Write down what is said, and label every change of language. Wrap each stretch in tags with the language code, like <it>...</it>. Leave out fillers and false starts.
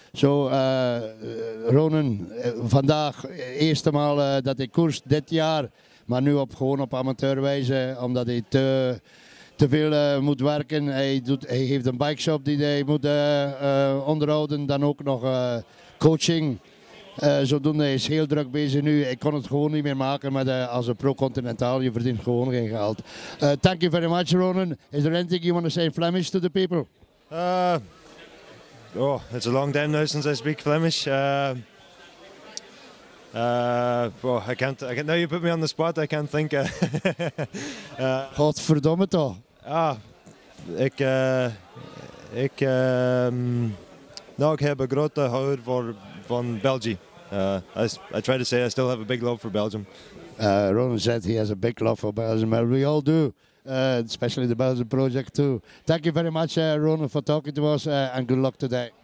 <nl>Zo, Ronan, vandaag eerste maal dat hij koerst dit jaar, maar nu gewoon op amateurwijze, omdat hij te veel moet werken. Hij heeft een bike shop die hij moet onderhouden. Dan ook nog coaching. Zodoende, hij is heel druk bezig nu. Ik kon het gewoon niet meer maken met als een pro-continentaal. Je verdient gewoon geen geld.</nl> <en>Thank you very much, Ronan. Is there anything you want to say in Flemish to the people? It's a long time now since I speak Flemish. I can't, now you put me on the spot, I can't think.</en> <nl>Godverdomme toch. Ik heb een grote houd voor van België.</nl> <en>I try to say I still have a big love for Belgium. Ronan said he has a big love for Belgium, and we all do, especially the Belgian project too. Thank you very much, Ronan, for talking to us, and good luck today.</en>